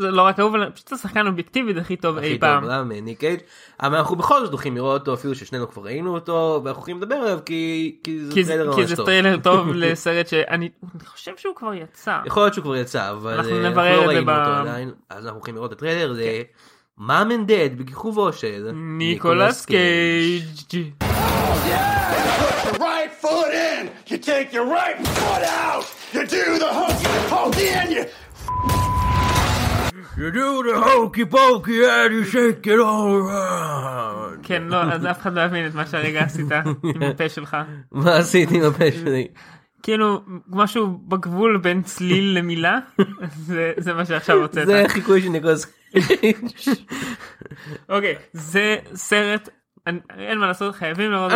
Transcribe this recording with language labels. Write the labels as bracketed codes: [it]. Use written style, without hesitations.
[he] זה לא רק האהוב, פשוט השחקן האובייקטיבית הכי טוב אי פעם. הכי טוב, למה? ניק קייג'. אבל אנחנו בכל זאת הולכים לראות אותו, אפילו ששנינו כבר ראינו אותו, ואנחנו הולכים לדבר עליו, כי זה טריילר ממש טוב. כי זה טריילר טוב לסרט שאני חושב שהוא כבר יצא. יכול להיות שהוא כבר יצא, אבל אנחנו לא ראינו אותו עדיין. אז אנחנו הולכים לראות את הטריילר, זה... Mom and Dad, בכיכובו של ניקולס קייג'. Oh, yeah! [en] Put your right foot in! You take your right foot out! You do the hokey-pokey and you... You do the hokey-pokey and you shake it all around! [he] כן, לא, אז אף אחד לא מבין את מה שהרגע עשית עם הפה שלך. מה עשית עם הפה שלי? כאילו, משהו בגבול בין צליל למילה, זה מה שעכשיו רוצה. זה חיקוי של ניקולס קייג'. אוקיי, זה סרט, אין מה לעשות, חייבים לראות אותו.